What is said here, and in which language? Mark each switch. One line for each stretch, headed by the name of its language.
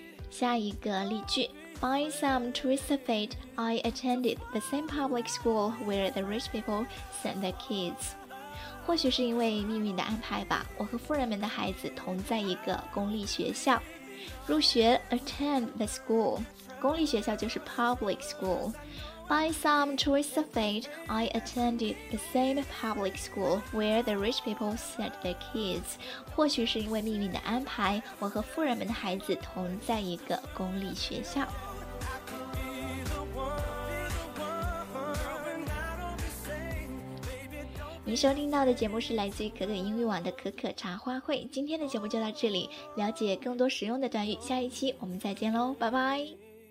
Chinese: 下一个例句
English: By some twist of fate, I attended the same public school where the rich people send their kids.
Chinese: 或许是因为命运的安排吧，我和富人们的孩子同在一个公立学校。入学
English: attend the school,
Chinese: 公立学校就是 public school.
English: By some twist of fate, I attended the same public school where the rich people sent their kids.
Chinese: 或许是因为命运的安排，我和富人们的孩子同在一个公立学校。您收听到的节目是来自于可可英语网的可可茶话会。今天的节目就到这里，了解更多实用的短语，下一期我们再见喽，拜拜。